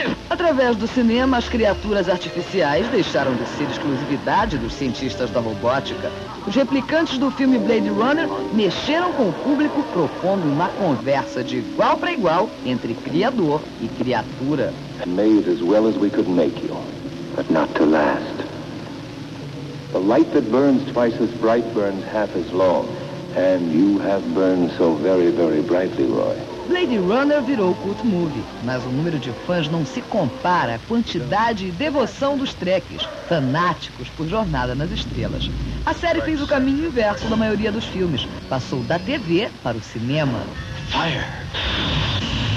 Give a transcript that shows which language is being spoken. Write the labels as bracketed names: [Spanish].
[Portuguese] Através do cinema, as criaturas artificiais deixaram de ser exclusividade dos cientistas da robótica. Os replicantes do filme Blade Runner mexeram com o público, propondo uma conversa de igual para igual entre criador e criatura. [English] Made as well as we could make you, but not to last. The light that burns twice as bright burns half as long, and you have burned so very, very brightly, Roy. [Portuguese] Blade Runner virou cult movie, mas o número de fãs não se compara à quantidade e devoção dos Trekkies, fanáticos por Jornada nas Estrelas. A série fez o caminho inverso da maioria dos filmes. Passou da TV para o cinema. [English] Fire!